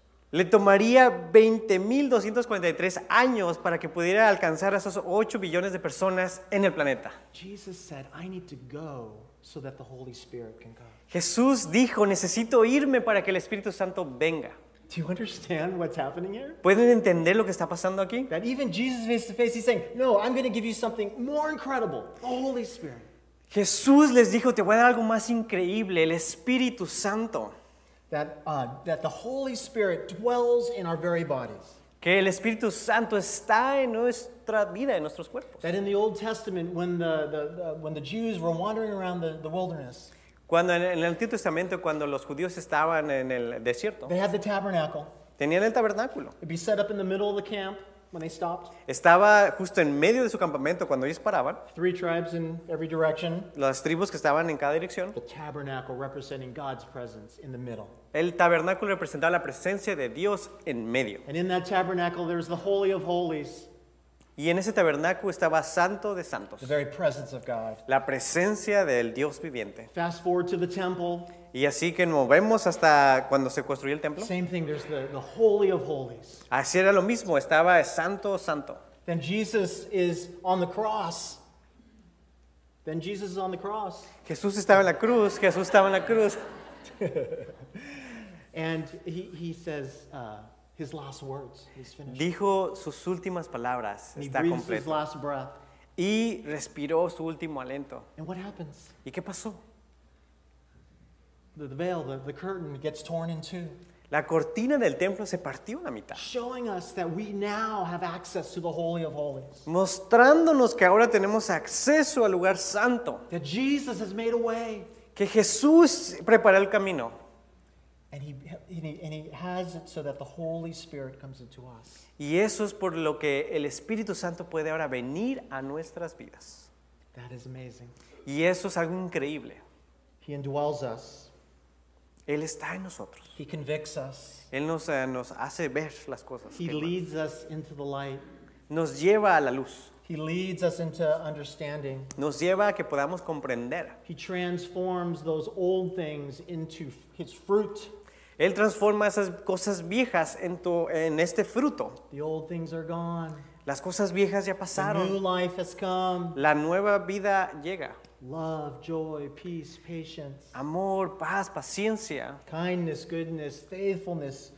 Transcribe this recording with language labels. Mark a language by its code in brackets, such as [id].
[es] Le tomaría 20,243 años para que pudiera alcanzar a esos 8 billones de personas en el planeta. [en] Jesus said, I need to go so that the Holy Spirit can come. [es] Jesús dijo, necesito irme para que el Espíritu Santo venga. [en] Do you understand what's happening here? [es] ¿Pueden entender lo que está pasando aquí? [en] That even Jesus face to face, he's saying, no, I'm going to give you something more incredible, the Holy Spirit. [es] Jesús les dijo, te voy a dar algo más increíble, el Espíritu Santo. [en] That the Holy Spirit dwells in our very bodies. [es] Que el Espíritu Santo está en nuestra vida, en nuestros cuerpos. [en] That in the Old Testament, when the Jews were wandering around the wilderness, [es] cuando en el Antiguo Testamento, cuando los judíos estaban en el desierto, [en] they had the tabernacle. [es] Tenían el tabernáculo. [en] It'd be set up in the middle of the camp when they stopped. [es] Estaba justo en medio de su campamento cuando ellos paraban. [en] Three tribes in every direction. [es] Las tribus que estaban en cada dirección. [en] The tabernacle representing God's presence in the middle. [es] El tabernáculo representaba la presencia de Dios en medio. [en] And in that tabernacle there's the Holy of Holies. [es] Y en ese tabernáculo estaba Santo de Santos. [en] The very presence of God. [es] La presencia del Dios viviente. [en] Fast forward to the temple. [es] Y así que nos vemos hasta cuando se construyó el templo. [en] Same thing, there's the Holy of Holies. [es] Así era lo mismo, estaba Santo, Santo. [en] Then Jesus is on the cross. Then Jesus is on the cross. [es] Jesús estaba en la cruz, Jesús estaba en la cruz. [en] And he says, his last words, he's finished. [es] Dijo sus últimas palabras, [en] he [es] está [en] breathes [es] completo. [en] His last breath. [es] Y respiró su último aliento. [en] And what happens? [es] ¿Y qué pasó? [en] The veil, the curtain gets torn in two. [es] La cortina del templo se partió a la mitad. [en] Showing us that we now have access to the Holy of Holies. [es] Mostrándonos que ahora tenemos acceso al lugar santo. [en] That Jesus has made a way. [es] Que Jesús preparó el camino. [en] And he has it so that the Holy Spirit comes into us. [es] Y eso es por lo que el Espíritu Santo puede ahora venir a nuestras vidas. [en] That is amazing. [es] Y eso es algo increíble. [en] He indwells us. [es] Él está en nosotros. [en] He convicts us. [es] Él nos hace ver las cosas. [en] He leads us into the light. [es] Nos lleva a la luz. [en] He leads us into understanding. [es] Nos lleva a que podamos comprender. [en] He transforms those old things into his fruit. [es] Él transforma esas cosas viejas en este fruto. [en] The old things are gone. [es] Las cosas viejas ya pasaron. [en] The new life has come. [es] La nueva vida llega. [en] Love, joy, peace, patience. [es] Amor, paz, paciencia. [en] Kindness, goodness, faithfulness.